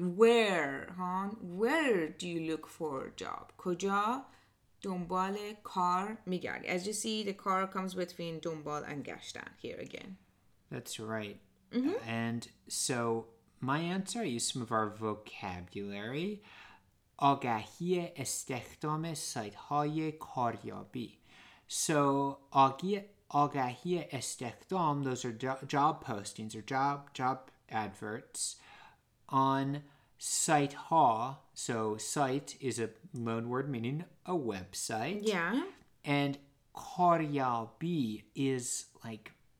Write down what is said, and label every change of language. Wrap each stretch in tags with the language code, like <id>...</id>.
<en>Where, huh? Where do you look for a job?</en> <fa>کجا دنبال کار میگردی?</fa> <en>As you see, the car comes between دنبال and گشتن here again. That's right. Mm-hmm. And so my answer, I use some of our vocabulary.</en> <fa>آگهی استخدام سایت‌های کاریابی.</fa> <en>So آگهی استخدام, those are job postings or job adverts on سایت‌ها. So site is a loan word meaning a website. Yeah. And کاریابی is like</en>